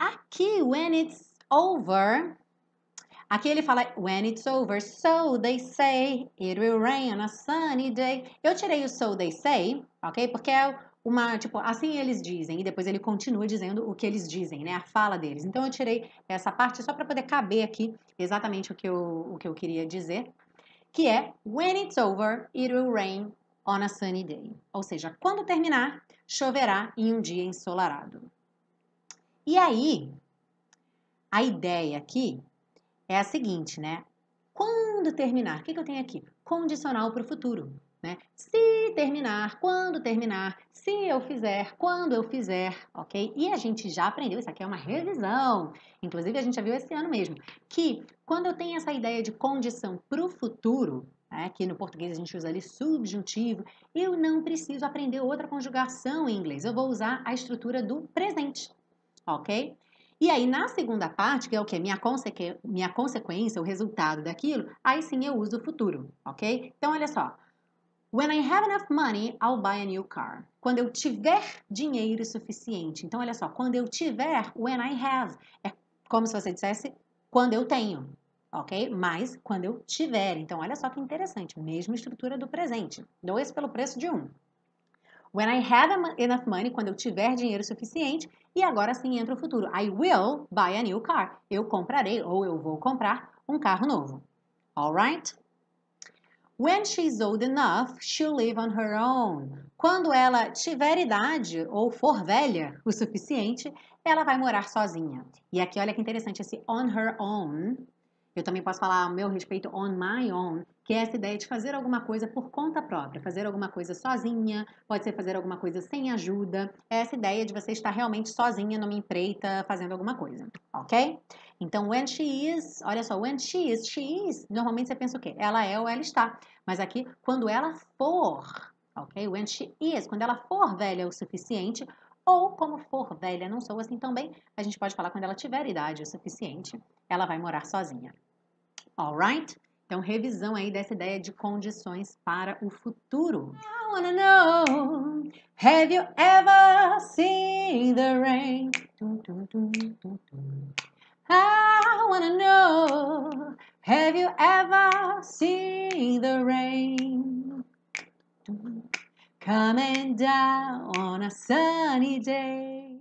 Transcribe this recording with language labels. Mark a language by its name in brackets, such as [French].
[Portuguese] que [English] when it's over, [Portuguese] aqui ele fala [English] when it's over, so they say it will rain on a sunny day. [Portuguese] Eu tirei o [English] so they say, [Portuguese] ok? Porque é uma, tipo, assim eles dizem, e depois ele continua dizendo o que eles dizem, né? A fala deles. Então eu tirei essa parte só para poder caber aqui exatamente o que eu queria dizer, que é [English] when it's over, it will rain on a sunny day. [Portuguese] Ou seja, quando terminar, choverá em um dia ensolarado. E aí, a ideia aqui é a seguinte, né? Quando terminar, o que que eu tenho aqui? Condicional para o futuro, né? Se terminar, quando terminar, se eu fizer, quando eu fizer, ok? E a gente já aprendeu, isso aqui é uma revisão, inclusive a gente já viu esse ano mesmo, que quando eu tenho essa ideia de condição para o futuro, né? Que no português a gente usa ali subjuntivo, eu não preciso aprender outra conjugação em inglês, eu vou usar a estrutura do presente, ok? E aí, na segunda parte, que é o quê? Minha consequência, o resultado daquilo, aí sim eu uso o futuro, ok? Então, olha só. [English] When I have enough money, I'll buy a new car. [Portuguese] Quando eu tiver dinheiro suficiente. Então, olha só. Quando eu tiver, [English] when I have. [Portuguese] É como se você dissesse quando eu tenho, ok? Mas quando eu tiver. Então, olha só que interessante. Mesma estrutura do presente. Dois pelo preço de um. [English] When I have enough money, [Portuguese] quando eu tiver dinheiro suficiente, e agora sim entra o futuro. [English] I will buy a new car. [Portuguese] Eu comprarei ou eu vou comprar um carro novo. [English] All right? When she's old enough, she'll live on her own. [Portuguese] Quando ela tiver idade ou for velha o suficiente, ela vai morar sozinha. E aqui olha que interessante esse [English] on her own. [Portuguese] Eu também posso falar ao meu respeito [English] on my own, [Portuguese] que é essa ideia de fazer alguma coisa por conta própria, fazer alguma coisa sozinha, pode ser fazer alguma coisa sem ajuda. É essa ideia de você estar realmente sozinha numa empreita fazendo alguma coisa, ok? Então, [English] when she is, [Portuguese] olha só, when she is, normalmente você pensa o quê? Ela é ou ela está. Mas aqui, quando ela for, ok? [English] When she is, [Portuguese] quando ela for velha o suficiente, ou como for velha, não sou assim também, a gente pode falar quando ela tiver idade o suficiente, ela vai morar sozinha. [English] All right? [Portuguese] Então, revisão aí dessa ideia de condições para o futuro. [English] I wanna know, have you ever seen the rain? Tum, tum, tum, tum, tum. I wanna know, have you ever seen the rain? Tum. Coming down on a sunny day.